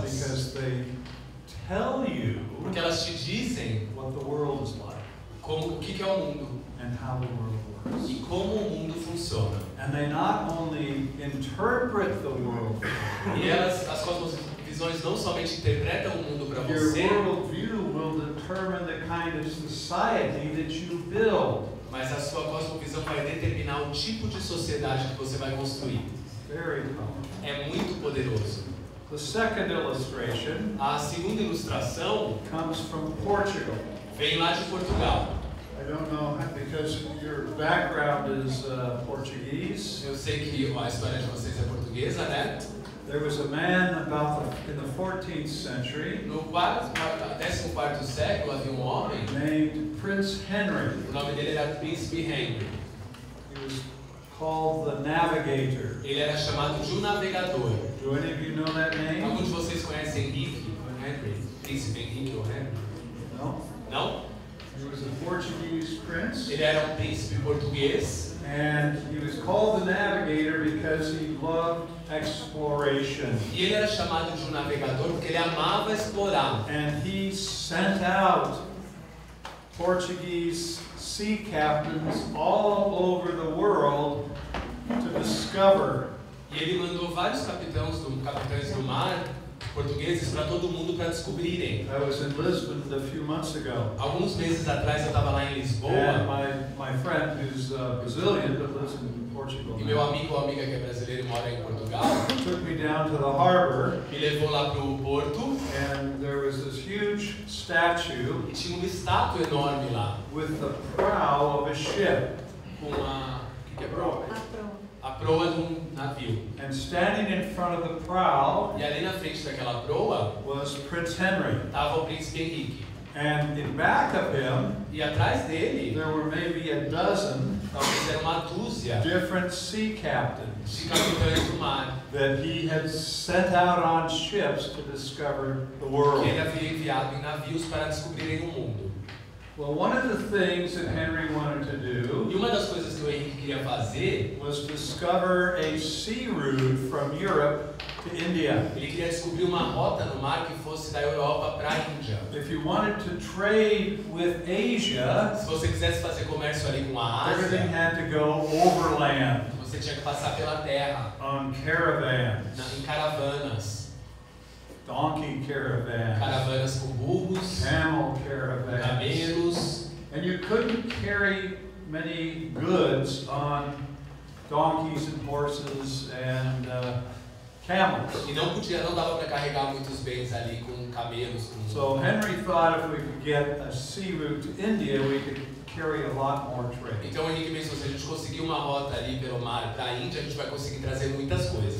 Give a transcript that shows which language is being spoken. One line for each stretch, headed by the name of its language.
English: Because they tell you.
Portuguese: Porque elas te dizem.
English: What the world is like.
Portuguese: Como o que é o mundo.
English: And how the world works.
Portuguese: E como o mundo funciona.
English: And they not only interpret the world.
Portuguese: E elas, as cosmovisões não somente interpretam o mundo para você.
English: Your worldview will determine the kind of society that you build.
Portuguese: Mas a sua cosmovisão vai determinar o tipo de sociedade que você vai construir.
English: Very powerful.
Portuguese: É muito poderoso.
English: The second illustration.
Portuguese: A segunda ilustração
English: comes from Portugal.
Portuguese: Vem lá de Portugal.
English: I don't know because your background is Portuguese.
Portuguese: Eu sei que a história de vocês é portuguesa, né?
English: There was a man about in the 14th century.
Portuguese: No 14th século havia um homem
English: named Prince Henry.
Portuguese: O nome dele era Príncipe Henry.
English: He was called the Navigator.
Portuguese: Ele era chamado de um navegador.
English: Do any of you know that name?
Portuguese: Alguns de vocês conhecem Henry? Príncipe Henry ou Henry?
English: No.
Portuguese: No?
English: He was a Portuguese prince.
Portuguese: Ele era príncipe português.
English: And he was called the navigator because he loved exploration.
Portuguese: E ele era chamado de navegador porque ele amava explorar.
English: And he sent out Portuguese sea captains all over the world to discover.
Portuguese: E ele mandou vários capitães do mar portugueses para todo mundo para descobrirem.
English: I was in Lisbon a few months ago.
Portuguese: Alguns meses atrás eu estava lá em Lisboa.
English: And my friend who's Brazilian but lives in Portugal.
Portuguese: E meu amigo ou amiga que é brasileiro mora em Portugal.
English: Took me down to the harbor.
Portuguese: Me levou lá para o porto.
English: And there was this huge statue.
Portuguese: E tinha uma estátua enorme lá.
English: With the prow of a ship.
Portuguese: Com a que é proa? A proa de um navio.
English: And standing in front of the prow,
Portuguese: e ali na frente daquela proa,
English: was Prince Henry.
Portuguese: Tava o Príncipe Henrique.
English: And in back of him,
Portuguese: e atrás dele,
English: there were maybe a dozen,
Portuguese: talvez era uma dúzia,
English: different sea captains,
Portuguese: de capitães do mar,
English: that he had sent out on ships to discover the world.
Portuguese: Que ele havia enviado em navios para descobrirem o mundo.
English: Well, one of the things that Henry wanted to do,
Portuguese: e uma das coisas que o Henrique queria fazer,
English: was discover a sea route from Europe to India.
Portuguese: Ele queria descobrir uma rota no mar que fosse da Europa para a Índia.
English: If you wanted to trade with Asia,
Portuguese: se você quisesse fazer comércio ali com a Ásia,
English: everything had to go overland.
Portuguese: Você tinha que passar pela terra.
English: On caravans.
Portuguese: Em caravanas.
English: Donkey caravans,
Portuguese: caravanas com burros,
English: camel caravans,
Portuguese: camelos,
English: and you couldn't carry many goods on donkeys and horses and camels.
Portuguese: E não dava para carregar muitos bens ali com camelos.
English: So Henry thought if we could get a sea route to India, we could carry a lot more trade.
Portuguese: Então Henrique pensou, se a gente conseguir uma rota ali pelo mar para a Índia, a gente vai conseguir trazer muitas coisas.